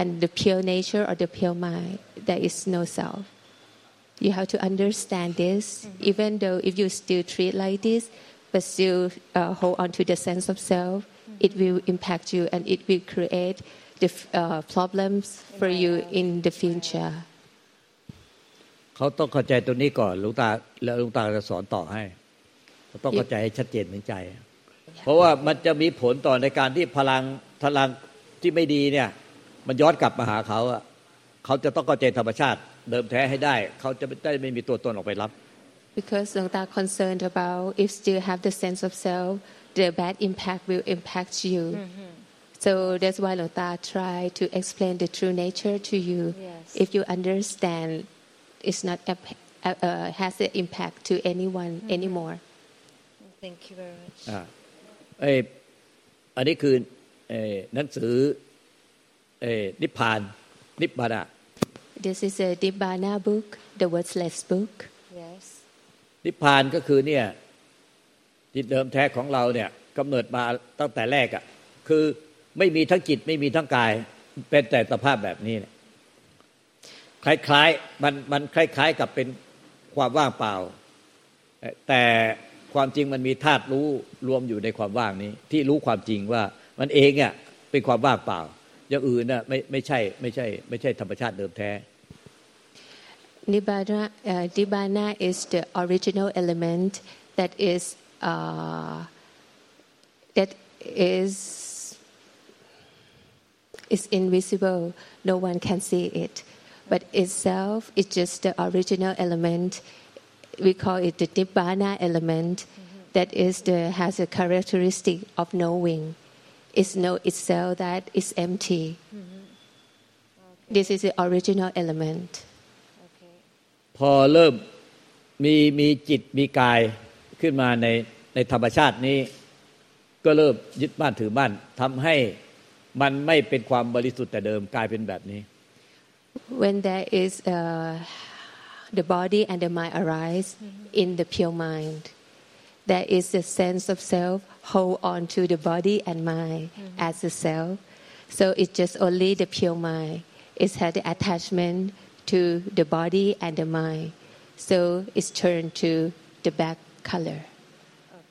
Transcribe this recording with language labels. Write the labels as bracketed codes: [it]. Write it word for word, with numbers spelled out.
[en] And the pure nature or the pure mind, there is no self. You have to understand this, mm-hmm. even though if you still treat like this, but still uh, hold on to the sense of self, it will impact you and it will create the uh, problems for you in the future. [th] เขาต้องเข้าใจตัวนี้ก่อนหลวงตาแล้วหลวงตาจะสอนต่อให้เขาต้องเข้าใจให้ชัดเจนถึงใจเพราะว่ามันจะมีผลต่อในการที่พลังพลังที่ไม่ดีเนี่ยมันย้อนกลับมาหาเขาอ่ะเขาจะต้องเข้าใจธรรมชาติเดิมแท้ให้ได้เขาจะได้ไม่มีตัวตนออกไปรับ [en] because หลวงตา concerned about if still have the sense of self the bad impact will impact you. Mm-hmm. So that's why Long Ta try to explain the true nature to you. Yes. If you understand, it's not uh, uh, has an impact to anyone mm-hmm. anymore. Thank you very much. [th] อ่าเอ้ยอันนี้คือเอ่อหนังสือเอ่อนิพพานนิพพานะ [en] This is a Nibbana book, the worthless book. Yes. [th] นิพพานก็คือเนี่ยจิตเดิมแท้ของเราเนี่ยกำเนิดมาตั้งแต่แรกอ่ะคือไม่มีทั้งจิตไม่มีทั้งกายเป็นแต่สภาพแบบนี้เนี่ยคล้ายๆมันมันคล้ายๆกับเป็นความว่างเปล่าแต่ความจริงมันมีธาตุรู้รวมอยู่ในความว่างนี้ที่รู้ความจริงว่ามันเองอ่ะเป็นความว่างเปล่าอย่างอื่นน่ะไม่ไม่ใช่ไม่ใช่ไม่ใช่ธรรมชาติเดิมแท้ [en] Nibbana uh, Nibbana is the original element that is Uh, that is is invisible. No one can see it, but itself is just the original element. We call it the Nibbana element. Mm-hmm. That is the has a characteristic of knowing. It's know itself that is empty. Mm-hmm. Okay. This is the original element. Okay. [th] พอเริ่มมีมีจิตมีกายขึ้นมาในในธรรมชาตินี้ก็เริ่มยึดบ้านถือบ้านทำให้มันไม่เป็นความบริสุทธิ์แต่เดิมกลายเป็นแบบนี้ [en] When there is uh, the body and the mind arise mm-hmm. in the pure mind there is the sense of self hold on to the body and mind mm-hmm. as the self so it's just only the pure mind it has the attachment to the body and the mind so it's turned to the back color okay.